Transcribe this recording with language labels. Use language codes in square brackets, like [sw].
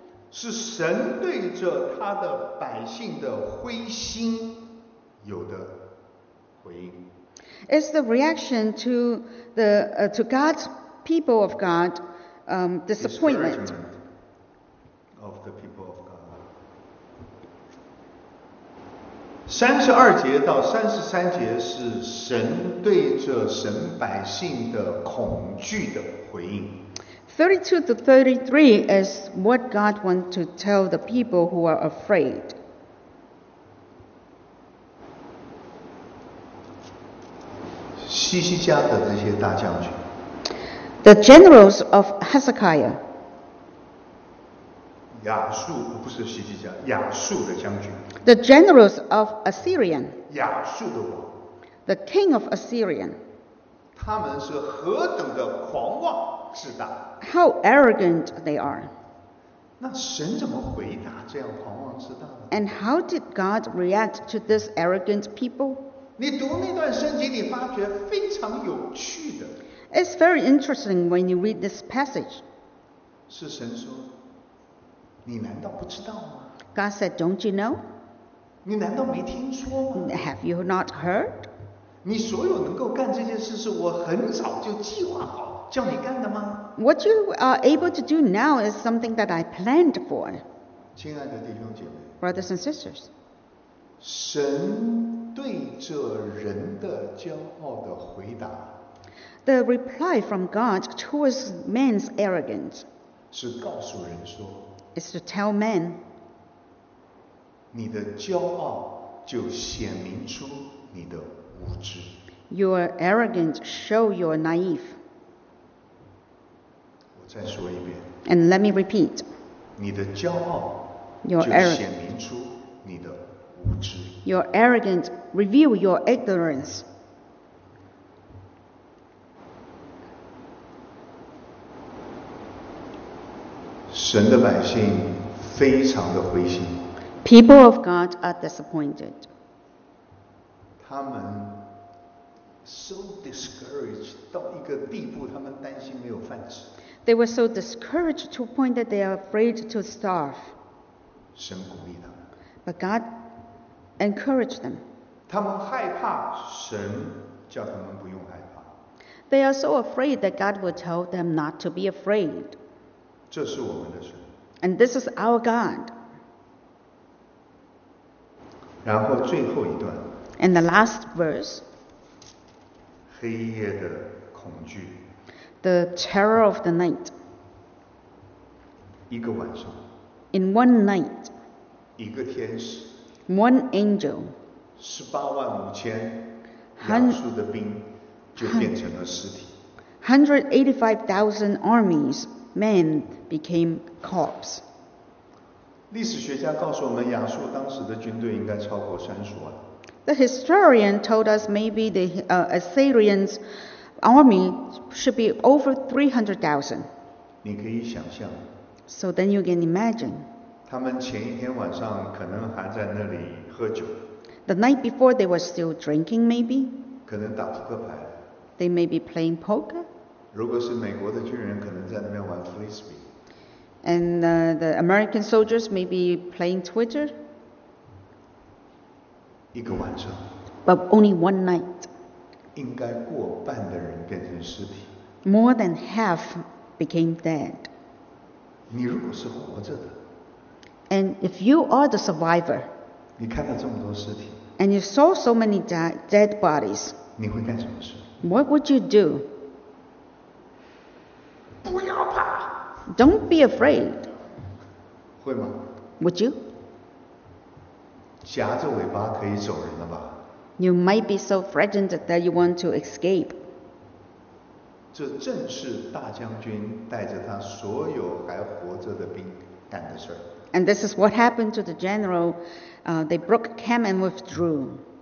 [zh] 是神对着他的百姓的灰心有的回应。 [en] It's the reaction to the to God's people of God disappointment of the people of God. [zh] 三十二节到三十三节是神对着神百姓的恐惧的回应。 [en] 32 to 33 is what God wants to tell the people who are afraid. [zh] 西西家的这些大将军 [en] The generals of Hezekiah [zh] 亚述不是西西家亚述的将军 [en] The generals of Assyria [zh] 亚述的王 [en] The king of Assyria [zh] 他们是何等的狂妄自大 [en] How arrogant they are [zh] 那神怎么回答这样狂妄自大 [en] And how did God react to this arrogant people? [zh] 你读那段圣经，你发觉非常有趣的。 [en] It's very interesting when you read this passage. [zh] 是神说，你难道不知道吗 [en] ？God said, "Don't you know?" [zh] 你难道没听说吗 [en] ？Have you not heard? [zh] 你所有能够干这件事，是我很早就计划好叫你干的吗 [en] ？What you are able to do now is something that I planned for. [zh] 亲爱的弟兄姐妹 [en] ，Brothers and sisters. [zh] 神。对着人的骄傲的回答 [en] The reply from God towards man's arrogance [zh] 是告诉人说 [en] is to tell man [zh] 你的骄傲就显明出你的无知 [en] Your arrogance show your naive [zh] 我再说一遍 [en] And let me repeat [zh] 你的骄傲 [en] Your arrogance [zh] 就显明出你的无知 [en] Your arrogance reveal your ignorance. [zh] 神的百姓非常的灰心。 [en] People of God are disappointed. [zh] 他们 [en] so discouraged [zh] 到一个地步，他们担心没有饭吃。 [en] They were so discouraged to a point that they are afraid to starve. [zh] 神鼓励他们。 [en] But God. Encourage them. [zh] 他们害怕神叫他们不用害怕。 [en] They are so afraid that God will tell them not to be afraid. [zh] 这是我们的神。 [en] And this is our God. [zh] 然后最后一段。 [en] And the last verse. [zh] 黑夜的恐惧。 [en] The terror of the night. [zh] 一个晚上。 [en] In one night. [zh] 一个天使。 [en] One angel, [zh] 十八万五千亚述的兵就变成了尸体。 [en] 185,000 armies men became corps. [zh] 历史学家告诉我们，亚述当时的军队应该超过30万。 [en] The historian told us maybe the Assyrians' army should be over 300,000. [zh] 你可以想象。 [en] So then you can imagine. [zh] 他们前一天晚上可能还在那里喝酒。 [en] The night before they were still drinking, maybe. [zh] 可能打扑克牌。 [en] They may be playing poker. [zh] 如果是美国的军人，可能在那边玩 frisbee。 [en] And the American soldiers may be playing Twitter. [zh] 一个晚上。 [en] But only one night. [zh] 应该过半的人变成尸体。 [en] More than half became dead. [zh] 你如果是活着的。 [en] And if you are the survivor. [zh] 你看到这么多尸体。 [en] And you saw so many dead bodies. [zh] 你会干什么事？ [en] What would you do? [zh] 不要怕。 [en] Don't be afraid. [zh] 会吗？ [en] Would you? [zh] 夹着尾巴可以走人了吧？ [en] You might be so frightened that you want to escape. [zh] 这正是大将军带着他所有还活着的兵干的事。 [en] And this is what happened to the general. They broke camp and withdrew.